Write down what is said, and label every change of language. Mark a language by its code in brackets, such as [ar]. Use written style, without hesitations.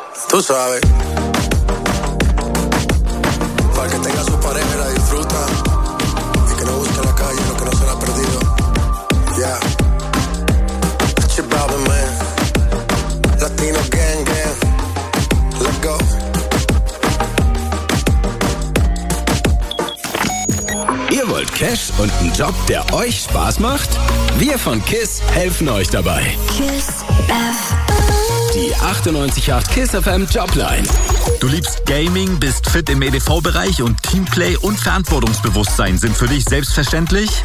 [es] Tú sabes, para que tenga su pareja y la disfruta, y que no busque la calle lo que no se la ha perdido. [en] Yeah, it's your baby man, Latino gang gang, let's go. [de] Ihr wollt Cash und einen Job, der euch Spaß macht? Wir von KISS helfen euch dabei. KISS F. Die 98.8 KISS FM Jobline. Du liebst Gaming, bist fit im EDV-Bereich und Teamplay und Verantwortungsbewusstsein sind für dich selbstverständlich?